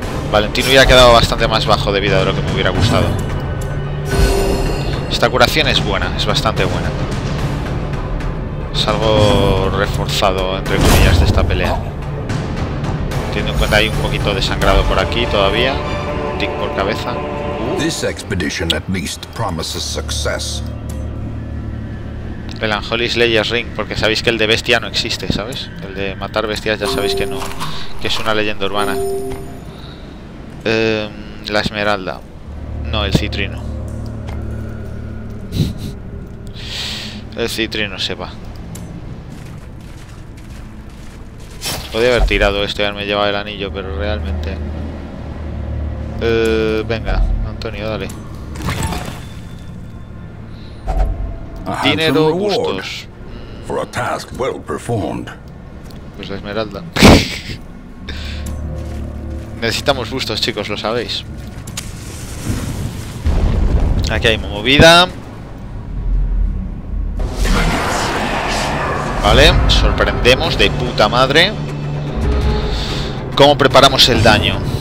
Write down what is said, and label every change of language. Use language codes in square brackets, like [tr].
[es] Valentino hubiera quedado bastante más bajo de vida de lo que me hubiera gustado. Esta curación es buena, es bastante buena. Salgo reforzado, entre comillas, de esta pelea. Teniendo en cuenta hay un poquito de sangrado por aquí todavía. Tic por cabeza. [en] This expedition at least promises success. [es] El Anjolis Legends Ring, porque sabéis que el de bestia no existe, ¿sabes? El de matar bestias ya sabéis que no, que es una leyenda urbana. La esmeralda. No, el citrino. El citrino se va. Podría haber tirado esto y haberme llevado el anillo, pero realmente... venga, Antonio, dale. Dinero, gustos. [en] For a task well performed. [es] Pues la esmeralda. Necesitamos gustos, chicos, lo sabéis. Aquí hay movida. Vale, sorprendemos de puta madre. ¿Cómo preparamos el daño?